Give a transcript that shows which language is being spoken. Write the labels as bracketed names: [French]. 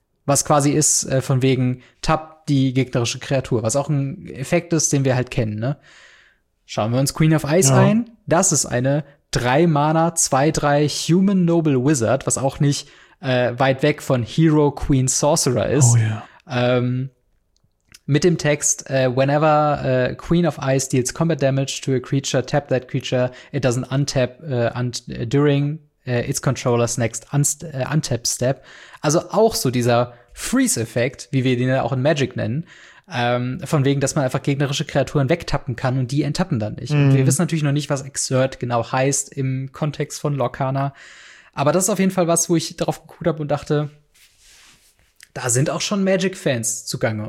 [German] Was quasi ist, von wegen Tap, die gegnerische Kreatur, was auch ein Effekt ist, den wir halt kennen, ne? Schauen wir uns Queen of Ice ein. Das ist eine 3-Mana-2-3 Human Noble Wizard, was auch nicht weit weg von Hero Queen Sorcerer ist. [English] Oh yeah. [German] Mit dem Text, [English] whenever Queen of Ice deals combat damage to a creature, tap that creature, it doesn't untap during its controller's next untap step. [German] Also auch so dieser Freeze-Effekt, wie wir den ja auch in Magic nennen, von wegen, dass man einfach gegnerische Kreaturen wegtappen kann und die enttappen dann nicht. Und wir wissen natürlich noch nicht, was Exert genau heißt im Kontext von Lorcana. Aber das ist auf jeden Fall was, wo ich drauf geguckt habe und dachte, da sind auch schon Magic-Fans zugange.